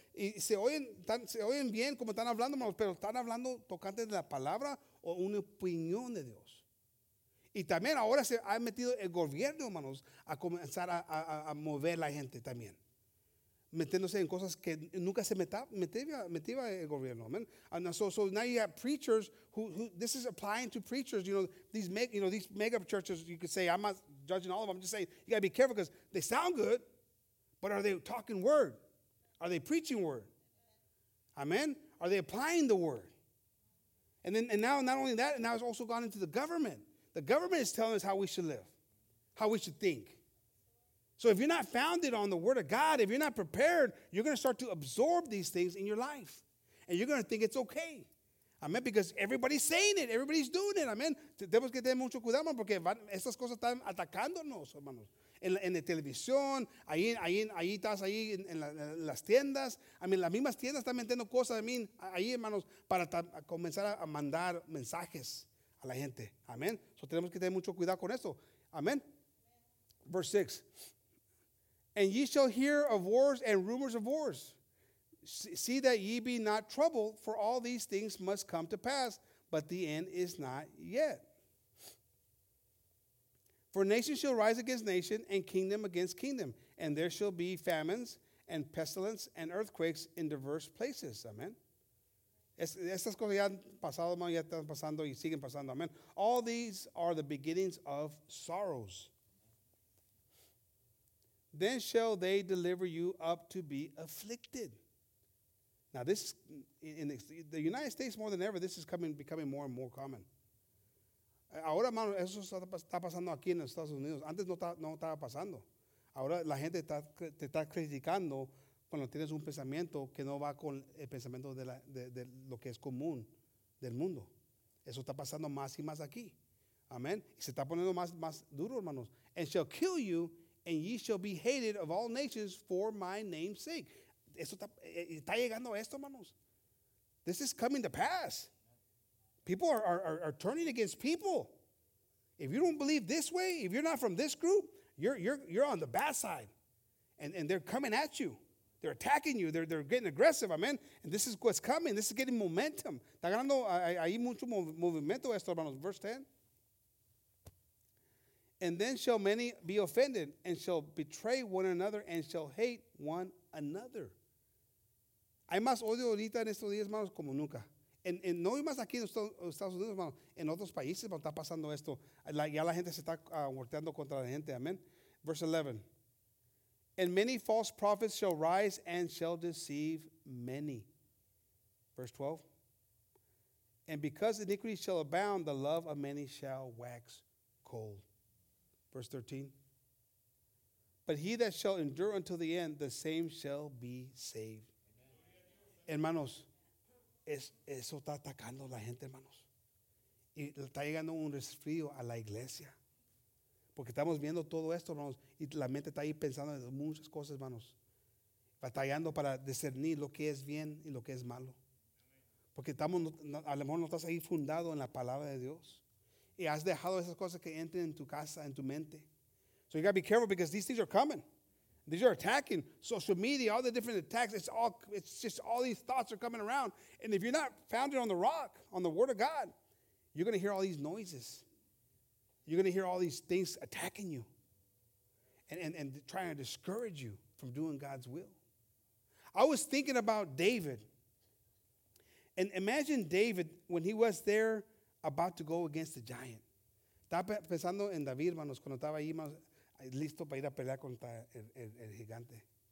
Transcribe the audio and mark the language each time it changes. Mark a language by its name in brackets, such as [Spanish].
[Spanish] Y se oyen bien como están hablando, hermanos, pero están hablando tocante de la palabra o una opinión de Dios. Y también ahora se ha metido el gobierno, hermanos, a comenzar a mover la gente también. Metiéndose en cosas que nunca se metía el gobierno. Amen. [English] And so now you have preachers who this is applying to preachers, you know, these mega churches, you could say, I'm not judging all of them, I'm just saying, you got to be careful because they sound good, but are they talking word? Are they preaching word? Amen? Are they applying the word? And now, not only that, now it's also gone into the government. The government is telling us how we should live, how we should think. So if you're not founded on the word of God, if you're not prepared, you're going to start to absorb these things in your life. And you're going to think it's okay. Amen. Because everybody's saying it. Everybody's doing it. Amen. [Spanish] Tenemos que tener mucho cuidado, porque estas cosas están atacándonos, hermanos. En la televisión, ahí estás ahí en las tiendas. [English] I mean, [Spanish] las mismas tiendas están metiendo cosas, [English] I mean, [Spanish] ahí, hermanos, para comenzar a mandar mensajes a la gente. Amen. So tenemos que tener mucho cuidado con eso. Amen. [English] Verse 6, and ye shall hear of wars and rumors of wars. See that ye be not troubled, for all these things must come to pass, but the end is not yet. For nation shall rise against nation, and kingdom against kingdom, and there shall be famines and pestilence and earthquakes in diverse places. Amen. [Spanish] Estas cosas ya han pasado, hermano, ya están pasando y siguen pasando. [English] Amen. All these are the beginnings of sorrows. Then shall they deliver you up to be afflicted. Now this, in the United States more than ever, this is becoming more and more common. [Spanish] Ahora, hermano, eso está pasando aquí en Estados Unidos. Antes no estaba pasando. Ahora la gente te está criticando cuando tienes un pensamiento que no va con el pensamiento de lo que es común del mundo. Eso está pasando más y más aquí. Amén. Y se está poniendo más duro, hermanos. [English] And shall kill you, and ye shall be hated of all nations for my name's sake. [Spanish] Eso está llegando a esto, hermanos. [English] This is coming to pass. People are turning against people. If you don't believe this way, if you're not from this group, you're on the bad side. And they're coming at you. They're attacking you. They're getting aggressive, amen. And this is what's coming. This is getting momentum. [Spanish] Está ganando ahí mucho movimiento esto, hermanos. [English] Verse 10. And then shall many be offended, and shall betray one another, and shall hate one another. [Spanish] Hay más odio ahorita en estos días, hermanos, como nunca. En no hay más aquí en Estados Unidos, hermanos. En otros países, hermanos, está pasando esto. Ya la gente se está volteando contra la gente. Amen. [English] Verse 11. And many false prophets shall rise and shall deceive many. Verse 12. And because iniquity shall abound, the love of many shall wax cold. Verse 13, but he that shall endure until the end, the same shall be saved. [Spanish] Amen. Hermanos, eso está atacando a la gente, hermanos. Y está llegando un resfrío a la iglesia. Porque estamos viendo todo esto, hermanos, y la mente está ahí pensando en muchas cosas, hermanos. Batallando para discernir lo que es bien y lo que es malo. Porque estamos, a lo mejor no estás ahí fundado en la palabra de Dios. Y has dejado esas cosas que entren en tu casa, en tu mente. [English] So you got to be careful because these things are coming. These are attacking. Social media, all the different attacks. It's just all these thoughts are coming around. And if you're not founded on the rock, on the word of God, you're going to hear all these noises. You're going to hear all these things attacking you. And trying to discourage you from doing God's will. I was thinking about David. And imagine David when he was there about to go against the giant. [Spanish] Estaba pensando en David, hermanos, cuando estaba ahí, hermanos, listo para ir a pelear contra el gigante.